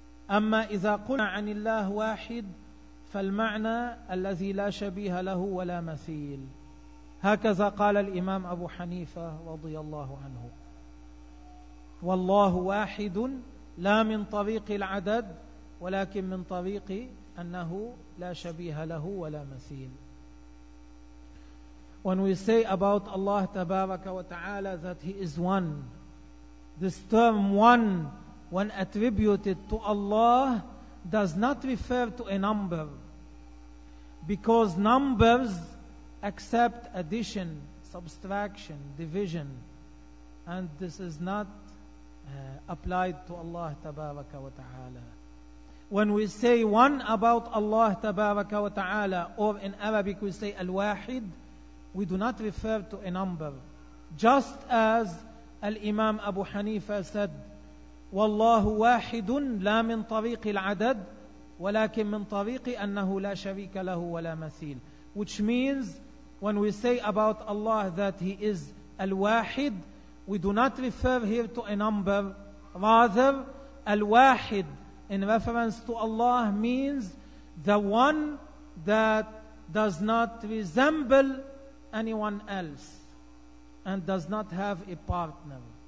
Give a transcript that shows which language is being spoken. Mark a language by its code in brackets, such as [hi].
[ar] أما إذا قلنا عن الله واحد فالمعنى الذي لا شبيه له ولا مثيل. هكذا قال الإمام أبو حنيفة رضي الله عنه: والله واحد لا من طريق العدد، ولكن من طريق أنه لا شبيه له ولا مثيل. [en] When we say about Allah [ar] تبارك وتعالى [en] that He is one, this term one, when attributed to Allah, does not refer to a number, because numbers accept addition, subtraction, division, and this is not applied to Allah Tabaraka wa Ta'ala. When we say one about Allah Tabaraka wa Ta'ala, or in Arabic we say Al-Wahid, we do not refer to a number. Just as Al-Imam Abu Hanifa said, [ar] والله واحد لا من طريق العدد ولكن من طريق أنه لا شريك له ولا مثيل. [en] Which means, when we say about Allah that He is Al-Wahid, we do not refer here to a number. Rather, Al-Wahid in reference to Allah means the one that does not resemble anyone else and does not have a partner.